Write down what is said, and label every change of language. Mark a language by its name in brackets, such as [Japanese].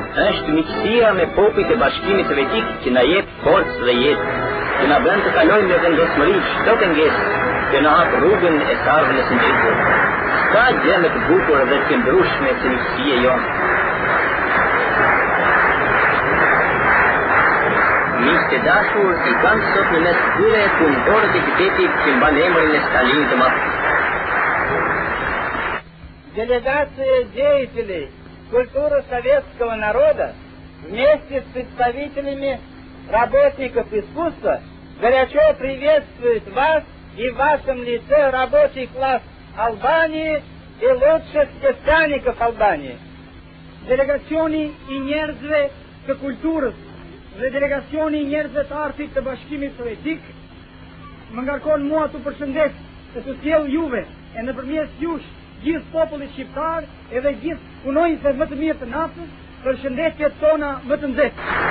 [Albanian] Është miqësia me popujt e Bashkimit Sovjetik që na jep forcë dhe jetë, që na bën të kalojmë me vendosmëri çdo pengesë, që na hap rrugën e së ardhmes së ndritur. Sa gjë më të bukur dhe të këndrueshme se miqësia jonë. Miqtë e dashur, i kanë sot në mes tyre punëtorët e qytetit që mban emrin e Stalinit të Madh. [Russian] Делегация деятелей культуры советского народа вместе с представителями работников искусства горячо приветствует вас и в вашем лице рабочий класс Албании и лучших эстаников Албании. Делегационные и нерзве к культуре. [Albanian] Dhe delegacioni i njerëzve të artit të bashkimit sovjetik më ngarkon mua të përshëndes të të sjell juve e në përmjes jush gjithë popullit shqiptar edhe gjithë punonjësve më të mirë të natës për shëndetjet tona më të nxehtë.